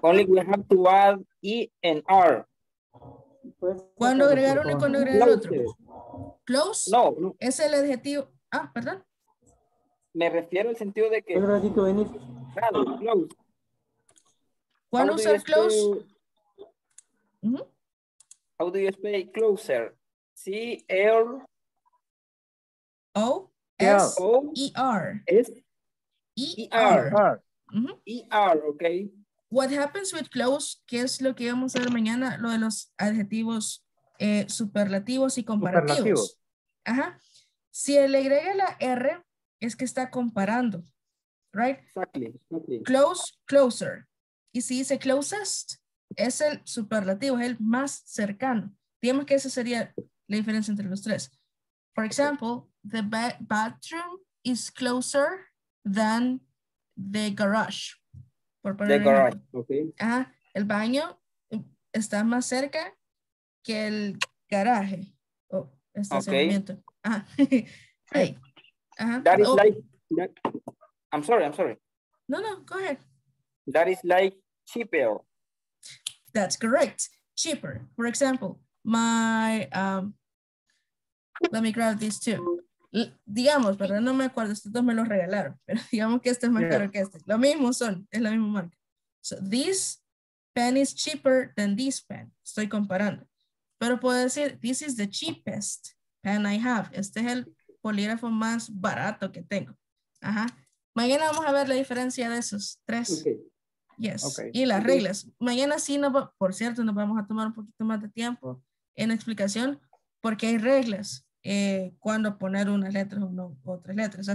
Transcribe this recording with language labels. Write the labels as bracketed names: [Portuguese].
[English] Only we have to add E and R. [Spanish] Cuando agregar uno y cuando agregar el otro. [English] Close. [Spanish] No. Es el adjetivo. Ah, perdón. Me refiero al sentido de que. Un ratito, vení. Claro, close. ¿Cuándo usar close? [English] How do you say closer? C-L. O-S-E-R. S-E-R. E-R, ok. What happens with close? [Spanish] ¿Qué es lo que vamos a ver mañana? Lo de los adjetivos superlativos y comparativos. Ajá. Si le agrega la R, es que está comparando, [English] right? Exactly, exactly. Close, closer. [Spanish] Y si dice closest, es el superlativo, es el más cercano. Digamos que esa sería la diferencia entre los tres. [English] For example, the bathroom is closer than the garage. [Spanish] Por poner [English] the garage, [Spanish] okay. Ah, el baño está más cerca que el garaje. Oh, estacionamiento. Okay. Ah, hey. [English] That is I'm sorry. No, no, go ahead. That is like cheaper. That's correct. Cheaper. For example, my let me grab these two. [Spanish] Digamos, pero no me acuerdo, estos dos me los regalaron, pero digamos que este es más caro que este. Lo mismo son, es la misma marca. [English] So this pen is cheaper than this pen. [Spanish] Estoy comparando. Pero puedo decir [English] this is the cheapest pen I have. [Spanish] Este es el polígrafo más barato que tengo. Ajá. Mañana vamos a ver la diferencia de esos tres. [English] Okay. Yes. Okay. [Spanish] Y las reglas. Mañana sí, no, por cierto, nos vamos a tomar un poquito más de tiempo en explicación porque hay reglas cuando poner unas letras o no, otras letras.